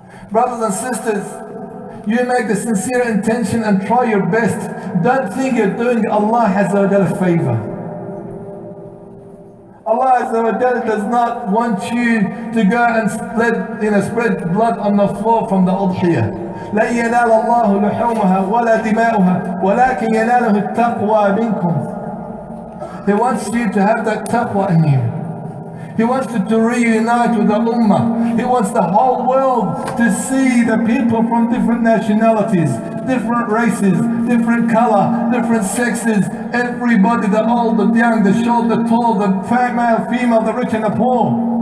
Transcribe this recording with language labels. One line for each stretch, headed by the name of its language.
English: Brothers and sisters, you make the sincere intention and try your best. Don't think you're doing Allah Azza wa Jalla a favor. Allah Azza wa Jalla does not want you to go and spread blood on the floor from the udhiyah.
Arabic: لَنْ يَنَالَ اللَّهُ لُحُومَهَا وَلَا دِمَاؤُهَا وَلَكِنْ يَنَالَهُ التَّقْوَى مِنْكُمْ
English: He wants you to have that taqwa in you. He wants you to reunite with the ummah. He wants the whole world to see the people from different nationalities, different races, different color, different sexes, everybody, the old, the young, the short, the tall, the fat, male, female, the rich and the poor.